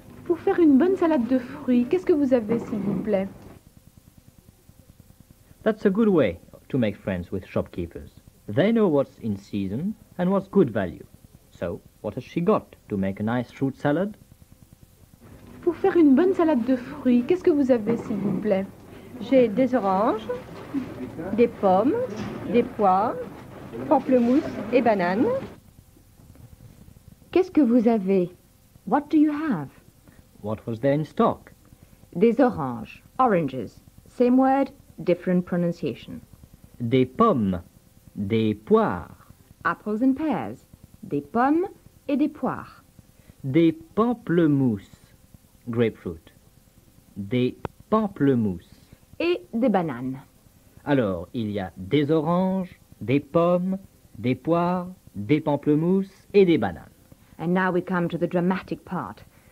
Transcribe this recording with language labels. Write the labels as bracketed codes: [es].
[fr] Pour faire une bonne salade de fruits, qu'est-ce que vous avez, s'il vous plaît? [en] That's a good way to make friends with shopkeepers. They know what's in season and what's good value. So, what has she got to make a nice fruit salad? [fr] Pour faire une bonne salade de fruits, qu'est-ce que vous avez, s'il vous plaît? J'ai des oranges, des pommes, des pois, pamplemousse et bananes. Qu'est-ce que vous avez? [en] What do you have? What was there in stock? [fr] Des oranges. [en] Oranges. Same word, different pronunciation. [fr] Des pommes. Des poires. [en] Apples and pears. [fr] Des pommes et des poires. Des pamplemousses. Grapefruit. Des pamplemousses. Et des bananes. Alors, il y a des oranges, des pommes, des poires, des pamplemousses et des bananes. [en] And now we come to the dramatic part.